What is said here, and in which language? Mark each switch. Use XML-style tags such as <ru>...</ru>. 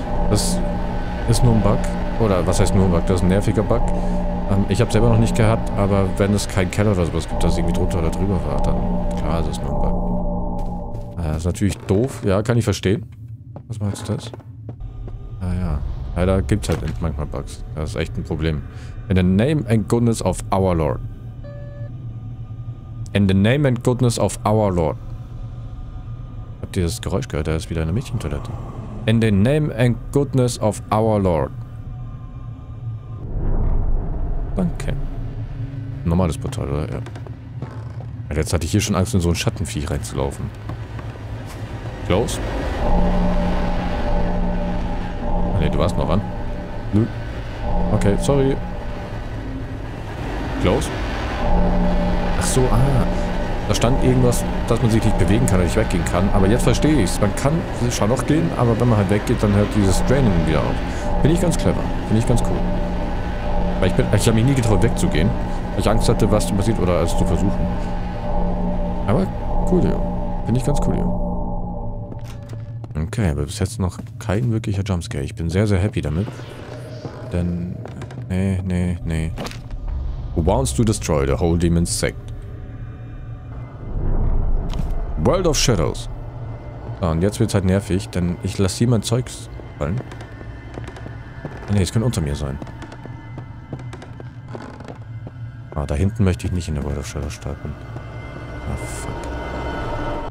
<de>Das ist nur ein Bug. Oder was heißt nur ein Bug? Das ist ein nerviger Bug. Ich habe selber noch nicht gehabt, aber wenn es keinen Keller oder sowas gibt, dass irgendwie drunter oder drüber war, dann klar, es ist nur ein Bug. Das ist natürlich doof. Ja, kann ich verstehen. Was meinst du das? Ah ja. Leider gibt es halt manchmal Bugs. Das ist echt ein Problem.</de> <en>In the name and goodness of our Lord. In the name and goodness of our Lord.</en> <de>Habt ihr das Geräusch gehört? Da ist wieder eine Mädchentoilette.</de> <en>In the name and goodness of our Lord.</en> <de>Danke. Normales Portal, oder? Ja. Jetzt hatte ich hier schon Angst, in so ein Schattenviech reinzulaufen.</de> <en>Close.</en> <de>Ah ne, du warst noch an. Nö. Okay, sorry.</de> <en>Close. Ach so, ah.</en> <de>Da stand irgendwas, dass man sich nicht bewegen kann oder nicht weggehen kann. Aber jetzt verstehe ich es. Man kann schon noch gehen, aber wenn man halt weggeht, dann hört dieses Draining wieder auf. Finde ich ganz clever. Finde ich ganz cool. Weil ich habe mich nie getraut, wegzugehen. Weil ich Angst hatte, was passiert oder es zu versuchen. Aber cool, ja. Finde ich ganz cool, ja. Okay, aber bis jetzt noch kein wirklicher Jumpscare. Ich bin sehr, sehr happy damit. Denn... Nee, nee, nee.</de> <en>Who wants to destroy the whole demon's sect? World of Shadows.</en> <de>So, und jetzt wird's halt nervig, denn ich lasse hier mein Zeugs fallen. Nee, es könnte unter mir sein. Ah, da hinten möchte ich nicht in der World of Shadows starten. Ah, fuck.</de>